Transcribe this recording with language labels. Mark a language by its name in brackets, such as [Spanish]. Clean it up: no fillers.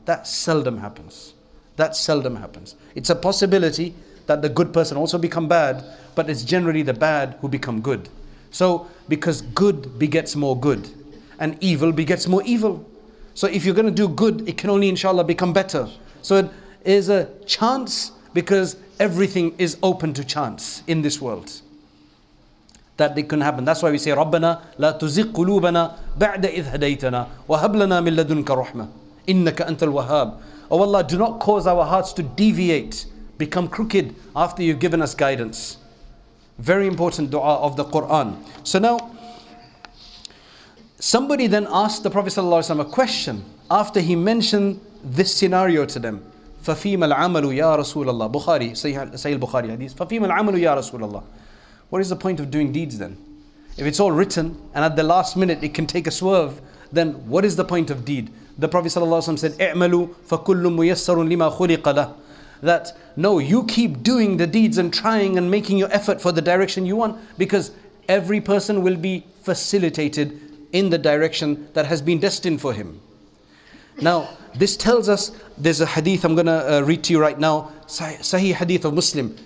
[English] That seldom happens. It's a possibility that the good person also become bad, but it's generally the bad who become good. So, because good begets more good, and evil begets more evil. So if you're going to do good, it can only, inshallah, become better. So it is a chance, because everything is open to chance in this world. That they can happen. That's why we say, [Arabic] رَبَّنَا لَا تُزِقْ قُلُوبَنَا بَعْدَ إِذْ هَدَيْتَنَا وَهَبْ لَنَا مِنْ لَدُنْكَ رَحْمَةٍ إِنَّكَ أَنْتَ الْوَهَابِ. [English] Oh Allah, do not cause our hearts to deviate, become crooked after you've given us guidance. Very important dua of the Quran. So now, somebody then asked the Prophet ﷺ a question after he mentioned this scenario to them. [Arabic] فَفِيمَ الْعَمَلُ يَا رَسُولَ اللَّهِ. [English] Bukhari, Sahih al-Bukhari hadith. [Arabic] فَفِيمَ الْعَمَلُ يَا رَسُولَ اللَّهِ. [English] What is the point of doing deeds then? If it's all written and at the last minute it can take a swerve, then what is the point of deed? The Prophet ﷺ said, [Arabic] اعملوا فكل ميسر لما خلق له. [English] That no, you keep doing the deeds and trying and making your effort for the direction you want, because every person will be facilitated in the direction that has been destined for him. Now, this tells us, there's a hadith I'm going to read to you right now, Sahih hadith of Muslim.